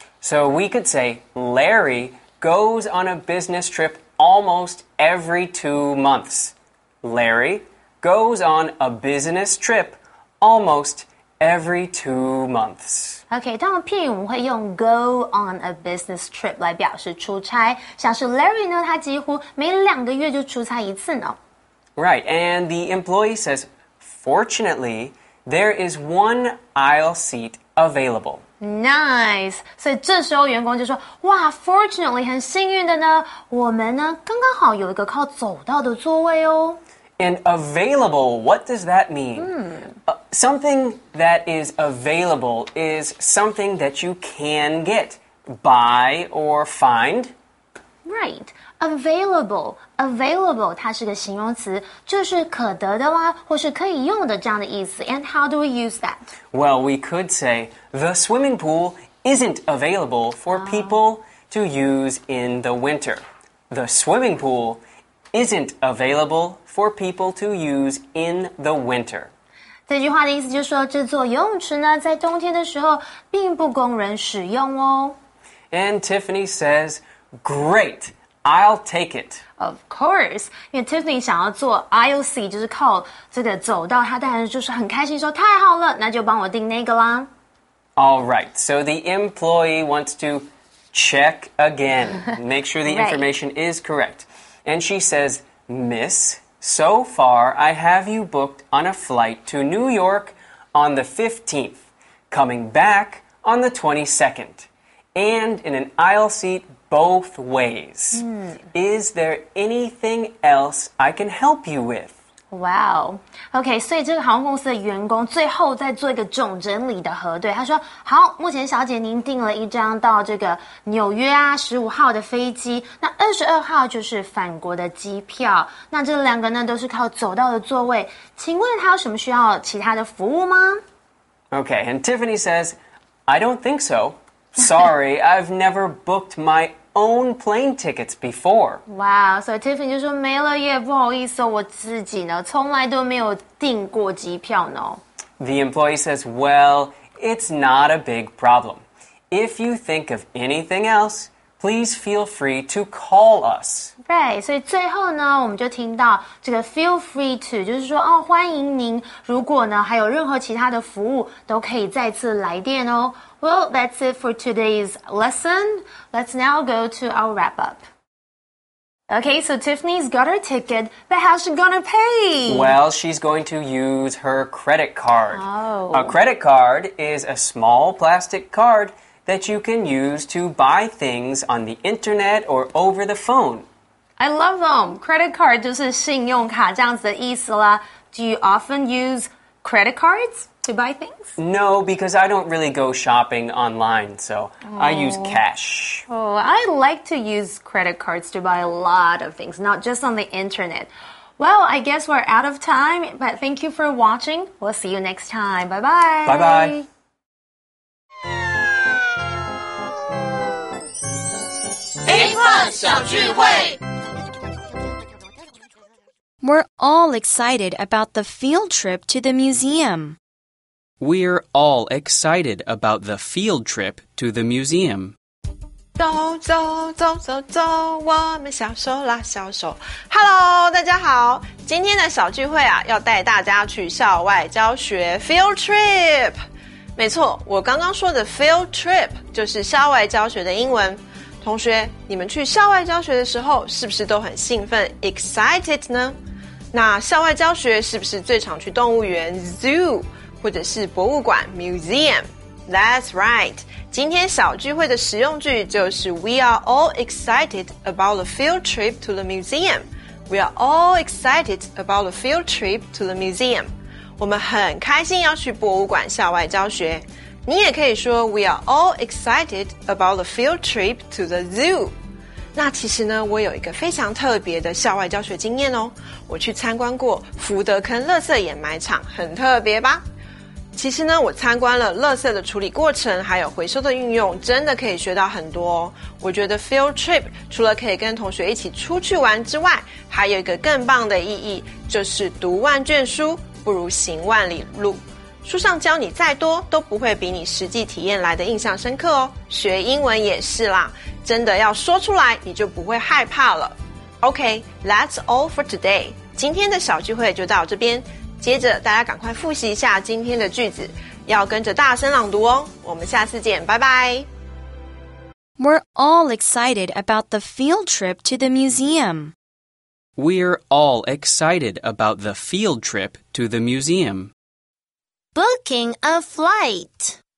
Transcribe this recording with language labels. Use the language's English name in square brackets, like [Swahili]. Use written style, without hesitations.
[English] So we could say Larry goes on a business trip almost every 2 months. Larry goes on a business trip almost every 2 months. [Chinese] Okay, 当然片语我们会用 [English] go on a business trip [Chinese] 来表示出差。像是 Larry 呢他几乎每两个月就出差一次呢。 [English] Right, and the employee says, fortunately, there is one aisle seat available. Nice! [Chinese] 所以这时候员工就说哇 [English] fortunately, [Chinese] 很幸运的呢我们呢刚刚好有一个靠走道的座位哦。 [English] And available, what does that mean? Something that is available is something that you can get, buy or find? Right. Available. Available, 它是个形容词，就是可得的啦，或是可以用的这样的意思。 And how do we use that? Well, we could say, the swimming pool isn't available for people to use in the winter. The swimming pool isn't available for people to use in the winter. 这句话的意思就是说，这座游泳池呢，在冬天的时候并不供人使用哦。 And Tiffany says, great, I'll take it. Of course, 因为 Tiffany 想要坐 aisle seat, 就是靠这个走道，她当然就是很开心说太好了，那就帮我订那个啦。 All right, so the employee wants to check again, make sure the information is correct. And she says, Miss, so far I have you booked on a flight to New York on the 15th, coming back on the 22nd. And in an aisle seat both ways. Is there anything else I can help you with? Wow. [Chinese] Okay, 所以这个航空公司的员工最后再做一个总整理的核对。他说，好，目前小姐您订了一张到这个纽约啊15号的飞机，那22号就是返国的机票。那这两个呢都是靠走道的座位。请问他有什么需要其他的服务吗？ [English] Okay, and Tiffany says, I don't think so. Sorry, I've never booked my own plane tickets before. Wow, so [Chinese] Tiffany 就说没了耶，不好意思，我自己呢，从来都没有订过机票呢。 [English] The employee says, well, it's not a big problem. If you think of anything else, please feel free to call us. [Chinese] Right, 所以最后呢，我们就听到这个 [English] feel free to, [Chinese] 就是说哦，欢迎您，如果呢，还有任何其他的服务，都可以再次来电哦。 [English] Well, that's it for today's lesson. Let's now go to our wrap-up. Okay, so Tiffany's got her ticket, but how's she gonna pay? Well, she's going to use her credit card. Oh. A credit card is a small plastic card that you can use to buy things on the internet or over the phone. I love them. Credit card [Chinese] 就是信用卡这样子的意思啦。 [English] Do you often use credit cards? To buy things? No, because I don't really go shopping online, so I use cash. Oh, I like to use credit cards to buy a lot of things, not just on the internet. Well, I guess we're out of time, but thank you for watching. We'll see you next time. Bye-bye. Bye-bye. We're all excited about the field trip to the museum. We're all excited about the field trip to the museum. [Chinese] 走走走走走，我们小手拉小手。 Hello, 大家好，今天的小聚会啊，要带大家去校外教学 [English] field trip。 [Chinese] 没错，我刚刚说的 field trip 就是校外教学的英文。同学，你们去校外教学的时候，是不是都很兴奋 [English] excited [Chinese] 呢？那校外教学是不是最常去动物园 zoo？或者是博物馆 museum. [English] That's right. [Chinese] 今天小聚会的实用句就是 [English] We are all excited about the field trip to the museum. We are all excited about the field trip to the museum. [Chinese] 我们很开心要去博物馆校外教学。你也可以说 [English] We are all excited about the field trip to the zoo. [Chinese] 那其实呢，我有一个非常特别的校外教学经验哦。我去参观过福德坑垃圾掩埋场，很特别吧？其实呢，我参观了垃圾的处理过程，还有回收的运用，真的可以学到很多哦。我觉得 field trip 除了可以跟同学一起出去玩之外，还有一个更棒的意义，就是读万卷书不如行万里路。书上教你再多，都不会比你实际体验来的印象深刻哦。学英文也是啦，真的要说出来，你就不会害怕了。 [English] OK, that's all for today. [Chinese] 今天的小聚会就到这边。接着大家赶快复习一下今天的句子，要跟着大声朗读哦。我们下次见，拜拜。 [English] We're all excited about the field trip to the museum. We're all excited about the field trip to the museum. Booking a flight.